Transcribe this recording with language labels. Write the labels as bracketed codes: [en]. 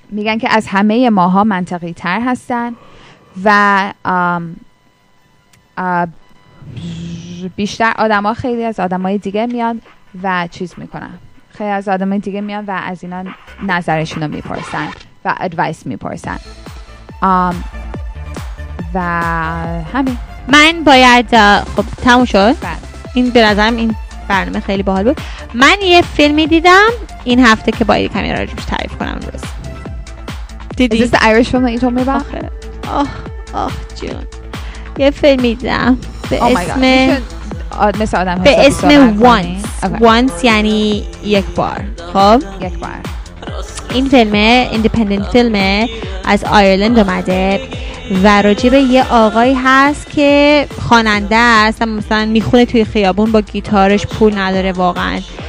[fa] میگن که از همه ماها منطقی تر هستن و بیشتر آدم ها خیلی از آدم های دیگه میان و چیز میکنن، خیلی از آدم های دیگه میان و از اینا نظرشون رو میپرسن و ادوایس میپرسن و همین. من باید خب تموم شد این برازم، این برنامه خیلی باحال بود. من یه فیلمی دیدم این هفته که باید کمی راجبش تعریف کنم. روز دیدی؟ [en] Is this the Irish film that you told me about? [fa] آخه آخ جون، یه فیلمی دیدم به اسم مثل آدم به اسم Once یعنی یک بار. خب یک بار این فیلمه، ایندیپندنت فیلمه، از آیرلند اومده و راجب یه آقایی هست که خواننده است، مثلا میخونه توی خیابون با گیتارش، پول نداره واقعا.